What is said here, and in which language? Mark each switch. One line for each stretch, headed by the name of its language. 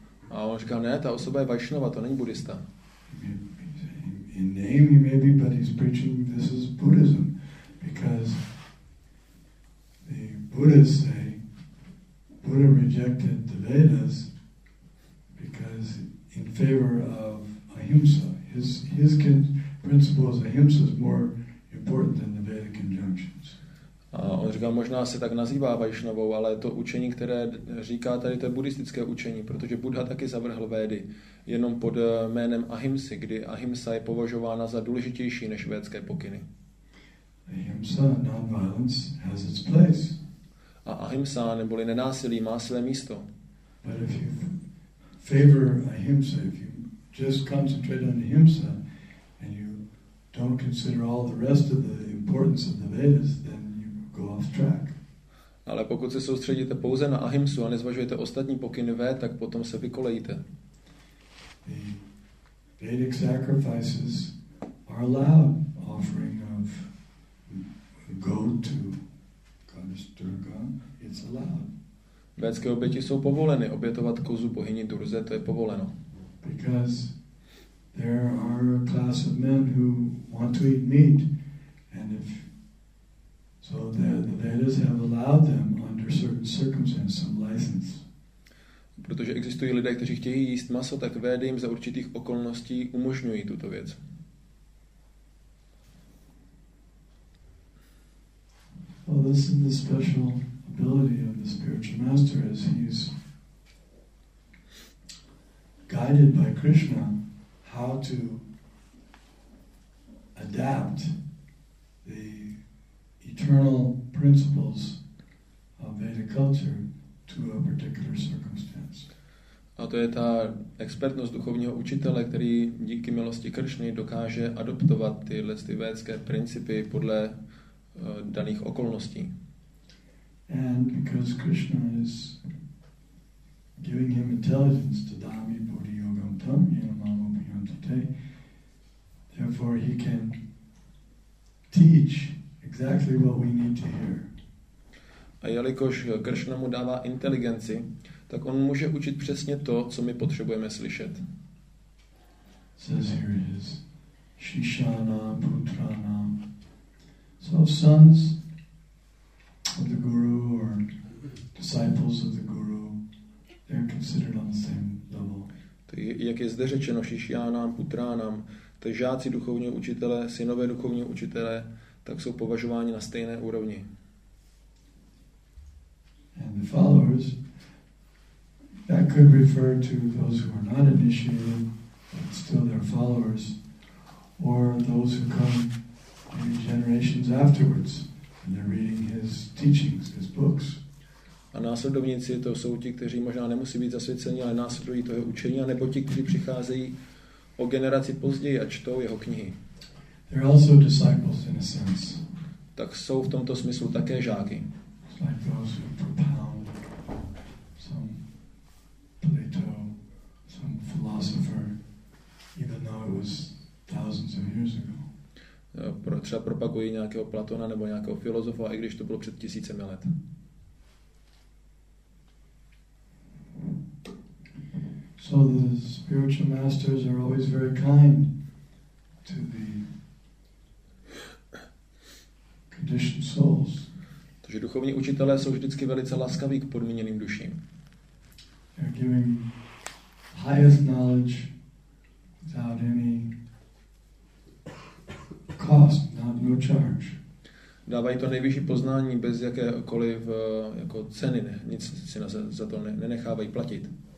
Czech: A on říkal, ne, ta osoba je Vaishnava, to není buddhista.
English: In name he may be, but he's preaching this is Buddhism. Because the Buddhists say, Buddha rejected the Vedas because in favor of Ahimsa. His principle is Ahimsa is more important than the Vedic injunctions.
Czech: A on říká, možná se tak nazývá Vaishnavou, ale to učení, které říká tady, to je buddhistické učení, protože Buddha taky zavrhl Védy jenom pod jménem Ahimsy, kdy Ahimsa je považována za důležitější než védské pokyny.
English: Ahimsa, non-violence, has its place.
Czech: A Ahimsa, neboli nenásilí, má své místo.
English: But if you favor Ahimsa, if you just concentrate on Ahimsa and you don't consider all the rest of the importance of the Vedas, then you go off track.
Czech: Ale pokud se soustředíte pouze na Ahimsu a nezvažujete ostatní pokyny V, tak potom se vykolejíte.
English: The Vedic sacrifices are allowed, offering of goat to goddess Durga, it's allowed.
Czech: Védské oběti jsou povoleny, obětovat kozu bohyni Durze, to je povoleno.
English: Because there are a class of men who want to eat meat, and if so, the Vedas have allowed them under certain circumstances some license.
Czech: Protože existují lidé, kteří chtějí jíst maso, tak védy jim za určitých okolností umožňují tuto věc.
English: Well, this is the special ability of the spiritual master is he's guided by Krishna how to adapt the eternal principles of Vedic culture to a particular circumstance.
Czech: A to je ta expertnost duchovního učitele, který díky milosti Krishny dokáže adoptovat tyhle ty védské principy podle daných okolností.
English: And because Krishna is giving him intelligence to
Sanskrit: dhammi bodhi yogam tam yamam abhyantate,
English: therefore he can teach exactly what we need to hear.
Czech: A jelikož Krishna mu dává inteligenci, tak on může učit přesně to, co my potřebujeme slyšet.
English: Says here is
Sanskrit: shishana putrana.
English: So sons of the guru or disciples of the guru, they are considered on the same level.
Czech: Jak je zde řečeno,
Sanskrit: šišiánám, putránám,
Czech: to žáci duchovního učitele, synové duchovního učitele, tak jsou považováni na stejné úrovni.
English: And the followers, that could refer to those who are not initiated, but still their followers, or those who come generations afterwards and they're reading his teachings, his books.
Czech: A následovníci to jsou ti, kteří možná nemusí být zasvěceni, ale následují to jeho učení, nebo ti, kteří přicházejí o generaci později a čtou jeho knihy.
English: They're also disciples in a sense.
Czech: Tak jsou v tomto smyslu také žáky.
English: It's like those who propound some Plato, some philosopher, even though it was thousands of years ago.
Czech: Třeba propagují nějakého Platona nebo nějakého filozofa, i když to bylo před tisícemi let.
English: So the spiritual masters are always very kind to the conditioned souls.
Czech: Takže duchovní učitelé jsou vždycky velice laskaví k podmíněným duším.
English: They're giving highest knowledge without any cost, no charge.
Czech: Dávají to nejvyšší poznání bez jakékoliv jako ceny, nic si za to nenechávají platit.